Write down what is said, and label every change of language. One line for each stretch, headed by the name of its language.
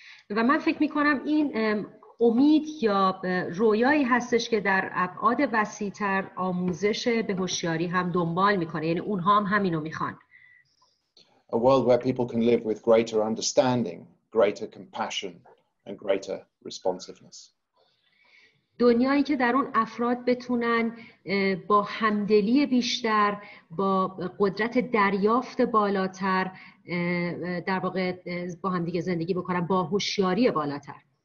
Persian: و من فکر میکنم این امید یا رویایی هستش که در ابعاد وسیع‌تر آموزش به هوشیاری هم دنبال میکنه، یعنی اونها هم همینو میخوان.
English: A world where people can live with greater understanding, greater compassion and greater responsiveness.
Persian: دنیایی که در اون افراد بتونن با همدلی بیشتر، با قدرت دریافت بالاتر در واقع با هم دیگه زندگی بکنن، با هوشیاری بالاتر.